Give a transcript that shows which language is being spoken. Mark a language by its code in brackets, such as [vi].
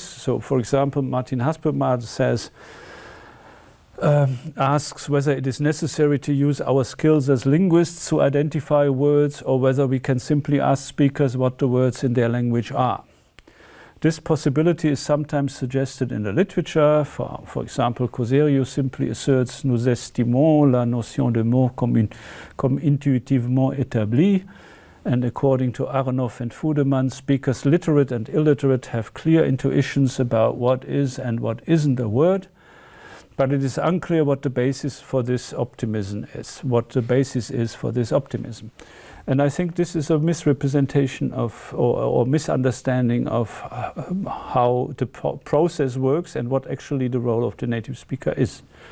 [en] So, for example, Martin Haspermann says, asks whether it is necessary to use our skills as linguists to identify words or whether we can simply ask speakers what the words in their language are. This possibility is sometimes suggested in the literature. For example, Cosério simply asserts [fr] nous estimons la notion de mot comme intuitivement établie. [en] And according to Aronoff and Fudemann, speakers literate and illiterate have clear intuitions about what is and what isn't a word. But it is unclear what the basis for this optimism is, what the basis is for this optimism. And I think this is a misrepresentation of, or misunderstanding of how the process works and what actually the role of the native speaker is.